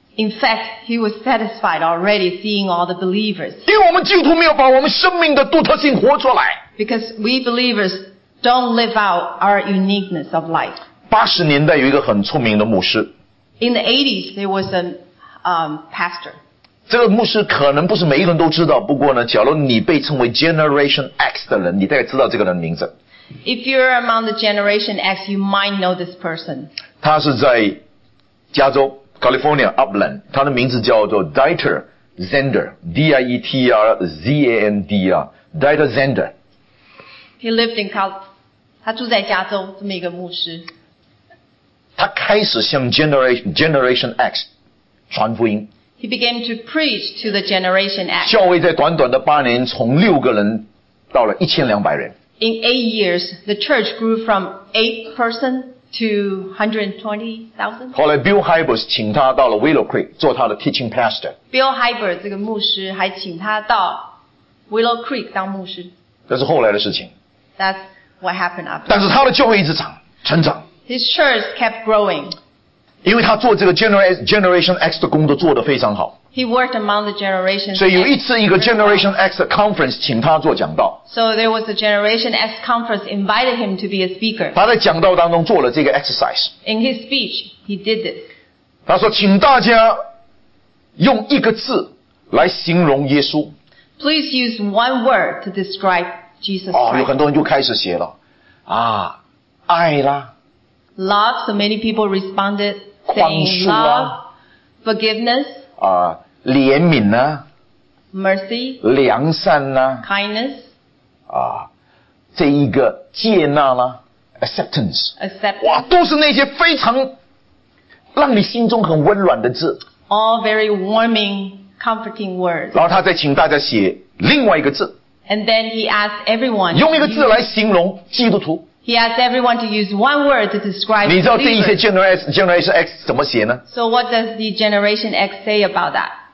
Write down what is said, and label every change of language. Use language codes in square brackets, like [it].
[en] In fact, he was satisfied already seeing all the believers. [zh] 因为我们基督徒没有把我们生命的独特性活出来。 [en] Because we believers don't live out our uniqueness of life. [zh] 80年代有一个很出名的牧师。 [en] In the 80s, there was an, pastor. [zh] 这个牧师可能不是每一个人都知道不过呢假如你被称为 Generation X 的人你大概知道这个人的名字。 [en] If you're among the Generation X, you might know this person. [zh] 他是在加州 California, Upland. 他的名字叫做 Dieter Zander. [en] D-I-E-T-R-Z-A-N-D-R. Dieter Zander. He lived in [zh] 他住在加州这么一个牧师。他开始向 Generation X 传福音。 [en] He began to preach to the Generation X. [zh] 教会在短短的八年，从六个人到了1200人。 [en] In 8 years, the church grew from 8 person to 120,000. [zh] 后来 Bill Hybels 请他到了 Willow Creek 做他的 teaching pastor. Bill Hybels 这个牧师还请他到 Willow Creek 当牧师。这是后来的事情。 [en] That's what happened after. [zh] 但是他的教会一直长，成长。 [en] His church kept growing. [zh] 因为他做这个 Generation X 的工作做得非常好。 [en] He worked among the Generation X. [zh] 所以有一次一个 Generation X 的 conference 请他做讲道。 [en] So there was a Generation X conference invited him to be a speaker. [zh] 他在讲道当中做了这个 exercise. [en] In his speech, he did this. [zh] 他说请大家用一个字来形容耶稣。 [en] Please use one word to describe Jesus [zh] Christ. 有很多人就开始写了。爱啦。 [en] Love, so many people responded saying love, forgiveness, [zh] 怜悯呢 [en] mercy, [zh] 良善呢 [en] kindness, [zh] 这一个接纳呢 acceptance, [en] acceptance, [zh] 哇，都是那些非常让你心中很温暖的字 [en] all very warming, comforting words. [zh] 然后他再请大家写另外一个字 [en] and then he asked everyone, [zh] 用一个字来形容基督徒。 [en] He asked everyone to use one word to describe. [zh] 你知道这一些 Generation X 怎么写呢 [en] ？So what does the Generation X say about that?